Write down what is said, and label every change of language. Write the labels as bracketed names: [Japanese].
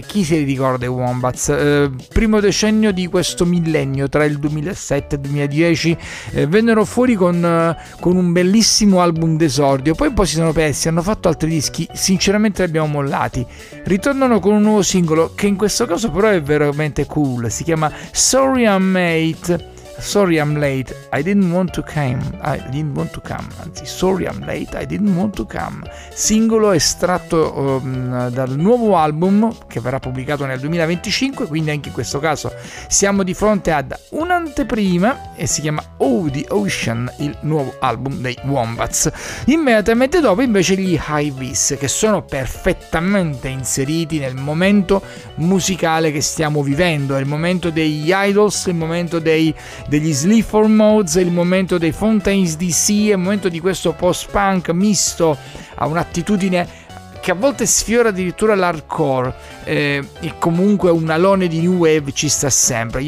[Italian] Chi si ricorda i Wombats? Primo decennio di questo millennio, tra il 2007 e il 2010, vennero fuori con un bellissimo album d'esordio, poi si sono persi, hanno fatto altri dischi, sinceramente li abbiamo mollati. Ritornano con un nuovo singolo, che in questo caso però è veramente cool, si chiama Sorry I'm Mate. [English] Sorry I'm late, I didn't want to come. [Italian] Anzi, [English] sorry I'm late, I didn't want to come. [Italian] Singolo estratto dal nuovo album che verrà pubblicato nel 2025, quindi anche in questo caso siamo di fronte ad un'anteprima e si chiama Oh the Ocean, il nuovo album dei Wombats. Immediatamente dopo invece gli Hi-Vis, che sono perfettamente inseriti nel momento musicale che stiamo vivendo, il momento degli Idols, il momento degli Sleaford Mods, il momento dei Fontaines DC, il momento di questo post-punk misto a un'attitudine che a volte sfiora addirittura l'hardcore, e comunque un alone di new wave ci sta sempre.